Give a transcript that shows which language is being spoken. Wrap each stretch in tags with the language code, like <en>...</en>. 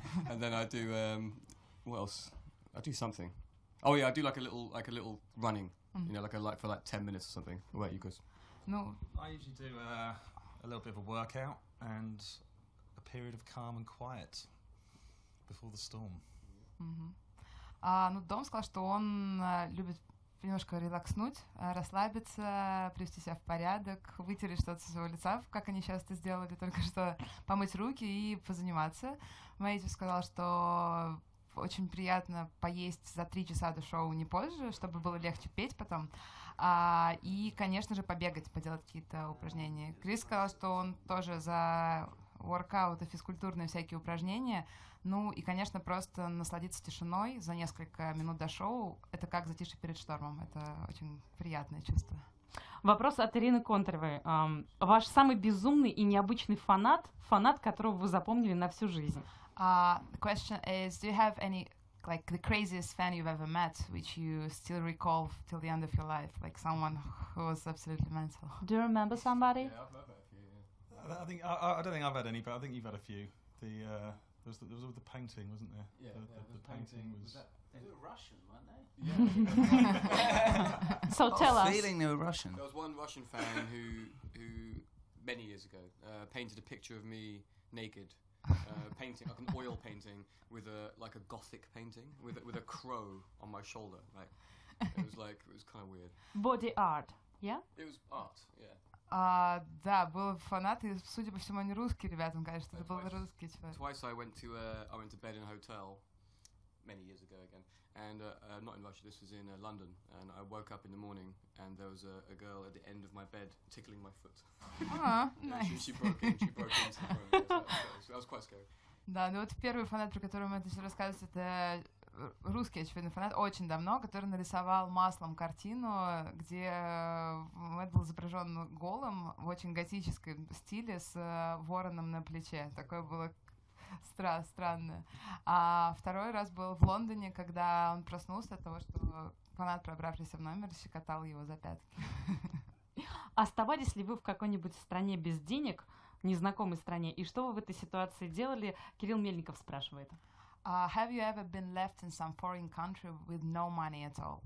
<en>And then I do what else? I do something. Oh yeah, I do like a little running. Mm-hmm. You know, for 10 minutes or something. What about you guys? No. I usually do a little bit of a workout and a period of calm and quiet before the storm. Mm-hmm.</en> <ru>Дом сказал, что он любит немножко релакснуть, расслабиться, привести себя в порядок, вытереть что-то со своего лица, как они часто сделали, только что помыть руки и позаниматься. Мэйтью сказал, что очень приятно поесть за 3 часа до шоу, не позже, чтобы было легче петь потом. И, конечно же, побегать, поделать какие-то упражнения. Крис сказал, что он тоже за воркаут и физкультурные всякие упражнения. Ну и, конечно, просто насладиться тишиной за несколько минут до шоу — это как затишье перед штормом. Это очень приятное чувство. Вопрос от Ирины Контровой. Ваш самый безумный и необычный фанат, фанат, которого вы запомнили на всю жизнь?</ru> <en>Question is, do you have any, like, the craziest fan you've ever met, which you still recall till the end of your life? Like, someone who was absolutely mental. Do you remember somebody? Yeah, I've met a few. I don't think I've had any, but I think you've had a few. There was the painting, wasn't there? Yeah, the painting was Russian, weren't they? Yeah. So tell us. I was feeling they were Russian. There was one Russian fan who many years ago, painted a picture of me naked, painting, like an oil painting, with a gothic painting, with a crow on my shoulder. Like, it was kind of weird. Body art, yeah? It was art, yeah.</en> <ru>Да, был фанат, и, судя по всему, они русские ребята, конечно, это был русский человек.</ru> <en>Twice I went to bed in a hotel many years ago again, and not in Russia, this was in London, and I woke up in the morning, and there was a girl at the end of my bed tickling my foot. Nice. She broke into the room, so that was quite scary.</en> <ru>Да, ну вот первый фанат, про который мы это все рассказывали, это русский очевидный фанат, очень давно, который нарисовал маслом картину, где Мэтт был изображен голым в очень готическом стиле с вороном на плече. Такое было странно. А второй раз был в Лондоне, когда он проснулся от того, что фанат, пробравшийся в номер, щекотал его за пятки. Оставались ли вы в какой-нибудь стране без денег, незнакомой стране, и что вы в этой ситуации делали? Кирилл Мельников спрашивает.</ru> <en>Have you ever been left in some foreign country with no money at all?</en>